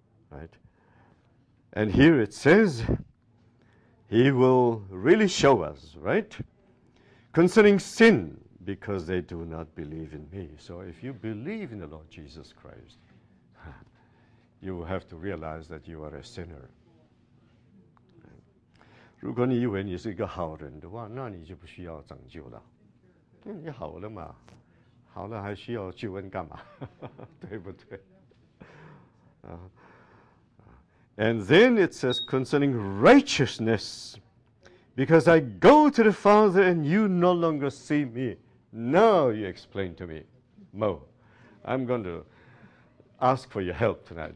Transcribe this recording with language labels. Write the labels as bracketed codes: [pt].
[en] Right, and here it says, he will really show us, right, concerning sin, because they do not believe in me. So if you believe in the Lord Jesus Christ, you have to realize that you are a sinner. Right. [zh] 如果你以为你是一个好人的话，那你就不需要拯救了，因为你好了嘛，好了还需要救恩干嘛？对不对？ [en] And then it says concerning righteousness, because I go to the Father and you no longer see me, now you explain to me. Mo, I'm going to ask for your help tonight.